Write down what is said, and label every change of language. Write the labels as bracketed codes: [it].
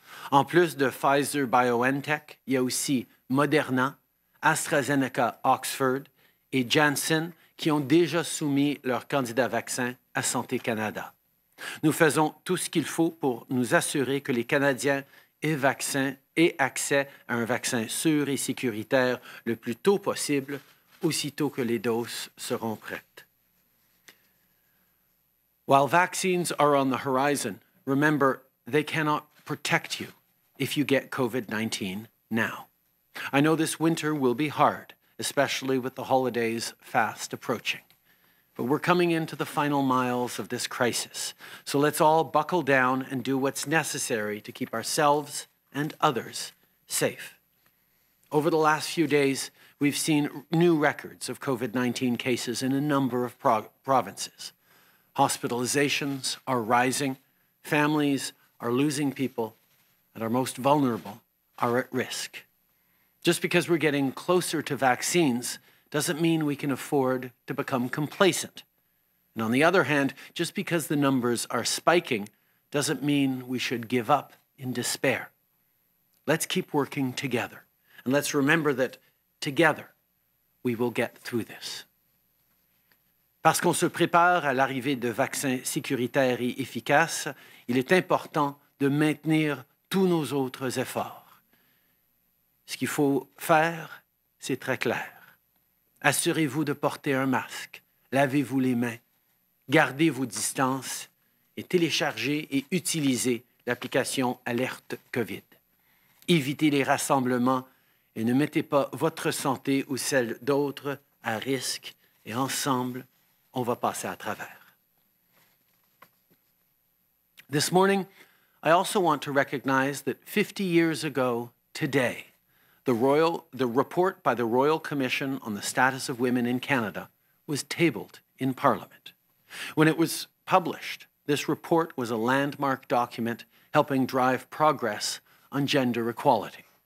[fr] En plus de Pfizer-BioNTech, il y a aussi Moderna, AstraZeneca Oxford et Janssen qui ont déjà soumis leur candidat vaccin à Santé Canada. Nous faisons tout ce qu'il faut pour nous assurer que les Canadiens aient vaccin et accès à un vaccin sûr et sécuritaire le plus tôt possible, aussitôt que les doses seront prêtes. [en] While vaccines are on the horizon, remember, they cannot protect you if you get COVID-19 now. I know this winter will be hard, especially with the holidays fast approaching. But we're coming into the final miles of this crisis, so let's all buckle down and do what's necessary to keep ourselves and others safe. Over the last few days, we've seen new records of COVID-19 cases in a number of provinces. Hospitalizations are rising, families are losing people, and our most vulnerable are at risk. Just because we're getting closer to vaccines doesn't mean we can afford to become complacent. And on the other hand, just because the numbers are spiking doesn't mean we should give up in despair. Let's keep working together, and let's remember that together, we will get through this. [fr] Parce qu'on se prépare à l'arrivée de vaccins sécuritaires et efficaces, il est important de maintenir tous nos autres efforts. Ce qu'il faut faire, c'est très clair. Assurez-vous de porter un masque, lavez-vous les mains, gardez vos distances et téléchargez et utilisez l'application Alerte COVID. Évitez les rassemblements et ne mettez pas votre santé ou celle d'autres à risque et ensemble, on va passer à travers. [en] This morning, I also want to recognize that 50 years ago today, the report by the Royal Commission on the Status of Women in Canada was tabled in Parliament. When it was published, this report was a landmark document helping drive progress on gender equality.